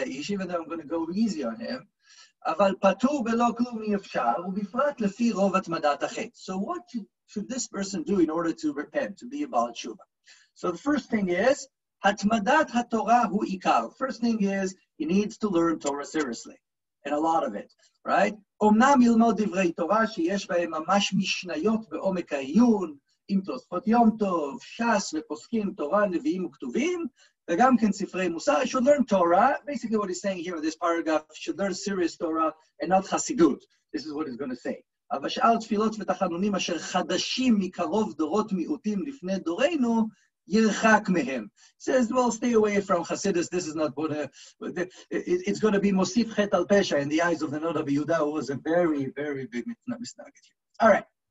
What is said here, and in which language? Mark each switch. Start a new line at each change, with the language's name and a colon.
English: Even though I'm going to go easy on him,
Hebrew: אבל פטור בלא כלום אי אפשר, ובפרט לפי רוב התמדת החית.
English: So what should this person do in order to repent, to be a Baal Tshuva? So the first thing is,
Hebrew: התמדת התורה הוא עיקר.
English: First thing is, he needs to learn Torah seriously, and a lot of it, right?
Hebrew: אומנם ילמוד דברי תורה שיש בהם ממש משניות בעומק העיון, עם תוספות יום טוב, שס ופוסקים, תורה, נביאים וכתובים, וגם כן ספרי מוסר,
English: should learn Torah, basically what he's saying here in this paragraph, should learn serious Torah and not
Hebrew: חסידות.
English: This is what he's going to say.
Hebrew: אבל שאר תפילות ותחנונים אשר חדשים מקרוב דורות מיעוטים לפני דורנו, ירחק מהם.
English: Says, well, stay away from חסידות, this is not what it's going to be
Hebrew: מוסיף חטא על פשע
English: in the eyes of the Noda ביהודה, who was a very, very big מתנגד. All right.